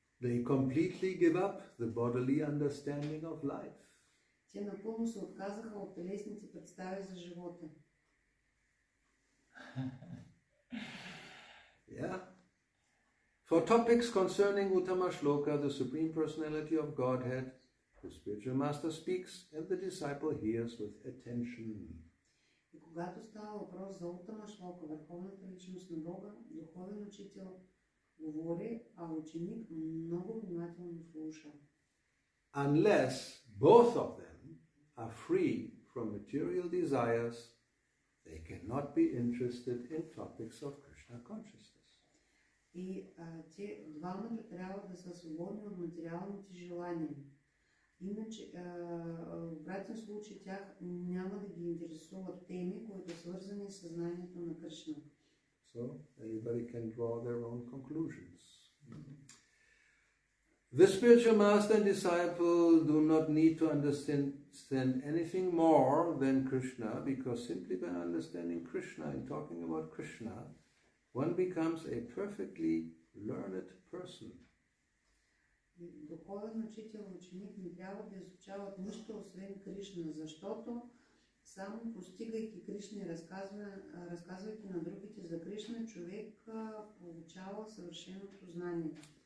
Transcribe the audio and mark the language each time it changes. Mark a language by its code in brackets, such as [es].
[en] They completely give up the bodily understanding of life. [bg] Те напълно се отказаха от телесните представи за живота. [en] Yeah. For topics concerning Uttama Shloka, the Supreme Personality of Godhead, the spiritual master speaks and the disciple hears with attention. [bg] И когато става въпрос за Uttama Shloka, върховната личност на Бога, духовен учител говори, а ученик много внимателно слуша. [en] Unless both of them are free from material desires, they cannot be interested in topics of Krishna consciousness. [bg] И те двамата трябва да са свободни от материалните желания. Иначе, в обратен случай, тях няма да ги интересуват теми, които са свързани с съзнанието на Кришна. [en] So, everybody can draw their own conclusions. The spiritual master and disciple do not need to understand anything more than Krishna, because simply by understanding Krishna and talking about Krishna, one becomes a perfectly learned person. [bg] духовен учител, ученик не трябва да изучават нищо освен Кришна, защото само постигайки Кришна и разказвайки на другите за Кришна, човек получава съвършеното знание.